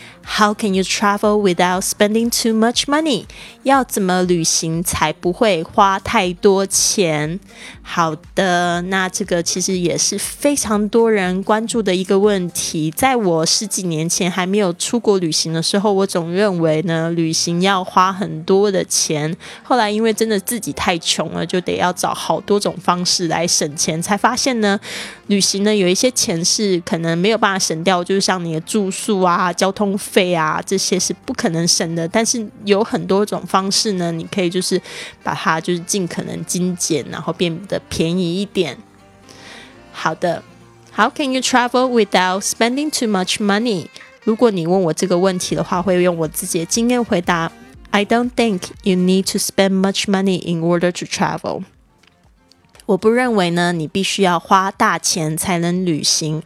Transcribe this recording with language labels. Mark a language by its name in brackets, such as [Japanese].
[English] How can you travel without spending too much money? [Chinese] 要怎么旅行才不会花太多钱？好的，那这个其实也是非常多人关注的一个问题。在我十几年前还没有出国旅行的时候，我总认为呢，旅行要花很多的钱。后来因为真的自己太穷了，就得要找好多种方式来省钱，才发现呢，旅行呢有一些钱是可能没有办法省掉，就是像你的住宿啊、交通费啊，这些是不可能省的。但是有很多种方式呢，你可以就是把它就是尽可能精简，然后变的便宜一点。好的， [English] How can you travel without spending too much money? [Chinese] 如果你问我这个问题的话，会用我自己的经验回答。 [English] I don't think you need to spend much money in order to travel. [Chinese] 我不认为呢，你必须要花大钱才能旅行。